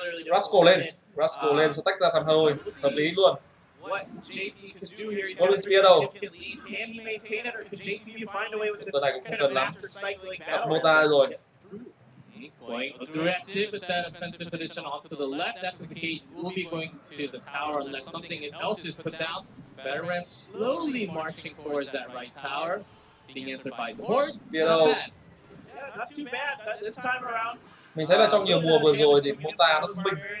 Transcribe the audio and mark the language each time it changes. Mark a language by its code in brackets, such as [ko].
[vi] Rascal lên. Rascal lên sẽ tách ra thằng hơi. Hợp lý luôn. [en] What JP could do here, he's going to maintain it, or could JP find a way with this kind of massive cycling battle? Going aggressive with that offensive position off to the left, that cage will be going to the tower unless something else is put down. Veteran slowly marching towards that right tower, being answered by the horse. Spiros. Yeah, not too bad this time around. [vi] Mình thấy là trong nhiều mùa vừa rồi thì Mota nó thông minh.